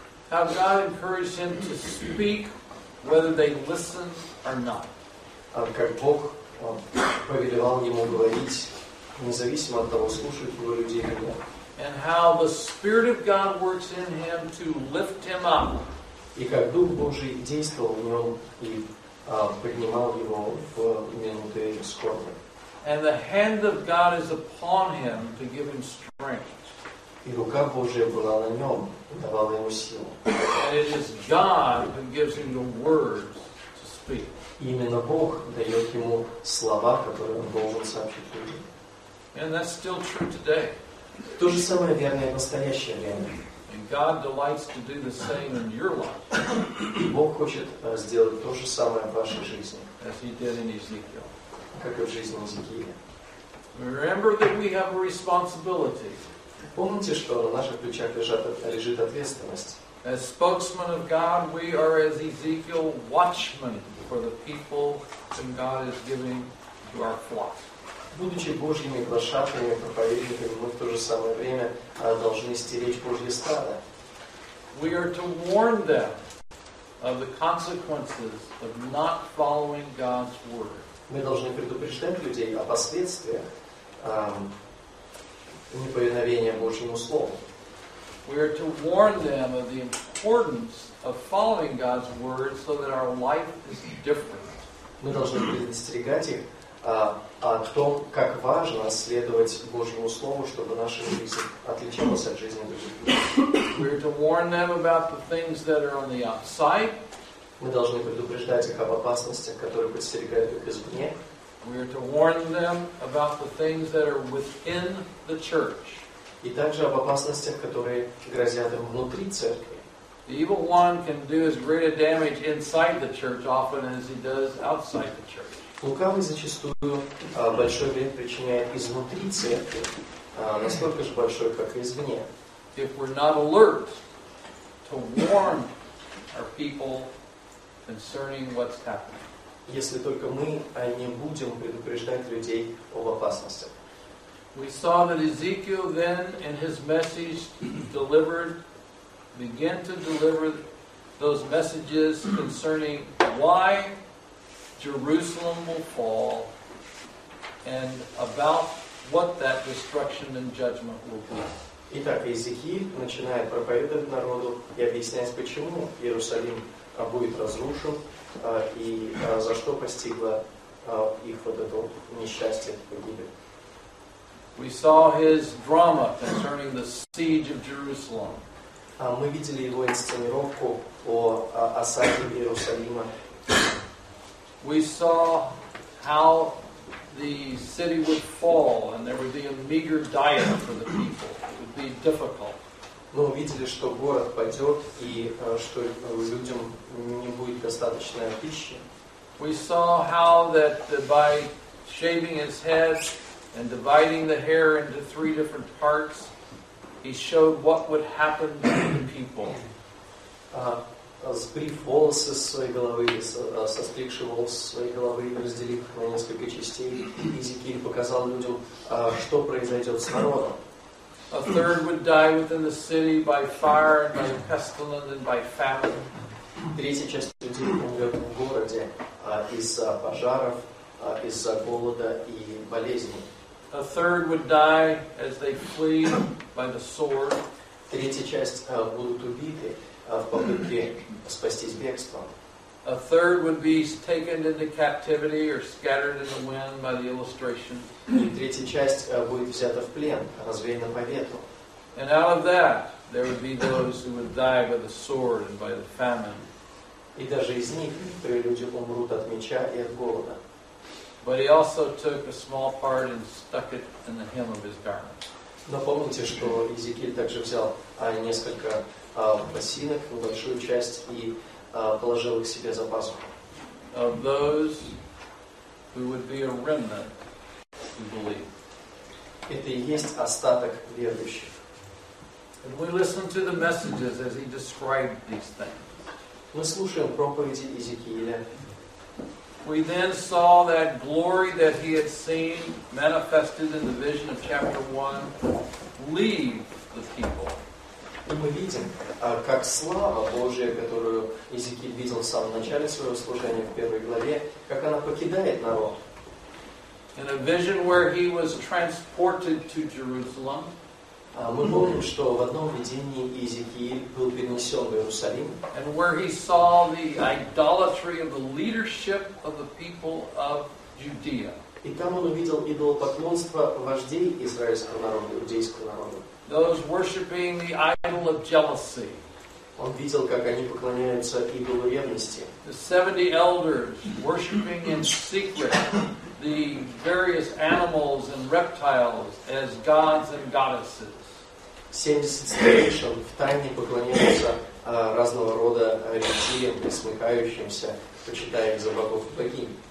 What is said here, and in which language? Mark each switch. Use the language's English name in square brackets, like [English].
[English] How God encouraged him to speak, whether they listened or not. [Russian] Как Бог повелевал ему говорить, независимо от того, слушают его люди или нет. [English] And how the Spirit of God works in him to lift him up. [Russian] И как Дух Божий действовал в нем и поднимал его в минуты скорби. [English] And the hand of God is upon him to give him strength. [Russian] И рука Божия была на нем, давала ему силу. [English] And it is God who gives him the words to speak. [Russian] И именно Бог дает ему слова, которые он должен сообщить людям. [English] And that's still true today. [Russian] То же самое верное в настоящее время. [English] And God delights to do the same in your life. [Russian] И Бог хочет сделать то же самое в вашей жизни. [English] As he did in Ezekiel. [Russian] Как и в жизни Иезекииля. [English] Remember that we have a responsibility. [Russian] Помните, что на наших плечах лежит ответственность. [English] As spokesmen of God, we are as Ezekiel watchmen for the people whom God is giving to our flock. [Russian] Будучи Божьими глашатаями, проповедниками, мы в то же самое время должны стеречь Божье стадо. [English] We are to warn them of the consequences of not following God's word. [Russian] Мы должны предупреждать людей о последствиях неповиновения Божьему слову. [English] We are to warn them of the importance of following God's word so that our life is different. [Russian] Мы должны предостерегать их о том, как важно следовать Божьему слову, чтобы наша жизнь отличалась от жизни других людей. [English] We're to warn them about the things that are on the outside. [Russian] Мы должны предупреждать их об опасностях, которые подстерегают их извне. [English] We're to warn them about the things that are within the church. [Russian] И также об опасностях, которые грозят им внутри церкви. [English] The evil one can do as great a damage inside the church often as he does outside the church. [Russian] Лукавый зачастую большой вред причиняет изнутри церкви, настолько же большой, как и извне. [English] If we're not alert to warn our people concerning what's happening. [Russian] Если только мы не будем предупреждать людей об опасностях. [English] We saw that Ezekiel then in his message began to deliver those messages concerning why Jerusalem will fall and about what that destruction and judgment will be. [Russian] Итак, Иезекииль начинает проповедовать народу и объяснять, почему Иерусалим будет разрушен и за что постигло их вот это несчастье, погибель. [English] We saw his drama concerning the siege of Jerusalem. [Russian] Мы видели его инсценировку о осаде Иерусалима. [English] We saw how the city would fall and there would be a meager diet for the people. It would be difficult. [Russian] Мы увидели, что город падет и что людям не будет достаточной пищи. [English] We saw how that by shaving his head and dividing the hair into three different parts, he showed what would happen to the people. [Russian] Сбрив волосы с своей головы, состригший волосы с своей головы, разделив на несколько частей, Иезекииль показал людям, что произойдет с народом. [English] A third would die within the city by fire and by pestilence and by famine. [Russian] Третья часть людей умрет в городе из-за пожаров, из-за голода и болезней. [English] A third would die as they flee by the sword. [Russian] Третья часть будут убиты в попытке спастись бегством. [English] A third would be taken into captivity or scattered in the wind by the illustration. [Russian] И третья часть будет взята в плен, развеяна по ветру. [English] And out of that, there would be those who would die by the sword and by the famine. [Russian] И даже из них три люди умрут от меча и от голода. [English] But he also took a small part and stuck it in the hem of his garment. [Russian] Но помните, что Иезекииль также взял несколько пасинок, небольшую часть, и положил их себе за пазуху. [English] Of those who would be a remnant who believe. [Russian] Это и есть остаток верующих. [English] And we listen to the messages as he described these things. [Russian] Мы слушаем проповеди Иезекииля. [English] We then saw that glory that he had seen manifested in the vision of chapter 1 leave the people. [Russian] И мы видим, как слава Божия, которую Иезекииль видел в самом начале своего служения в первой главе, как она покидает народ. [English] In a vision where he was transported to Jerusalem. [Russian] Мы помним, что в одном видении Иезекииль был перенесен в Иерусалим. [English] And where he saw the idolatry of the leadership of the people of Judea. [Russian] И там он увидел идолопоклонство вождей израильского народа, иудейского народа. [English] Those worshiping the idol of jealousy. [Russian] Он видел, как они поклоняются идолу ревности. [English] The 70 elders worshiping in secret the various animals and reptiles as gods and goddesses. [Russian] 70 старейшин в тайне поклоняются разного рода рептилиям, присмыкающимся, почитая их за богов и богинь.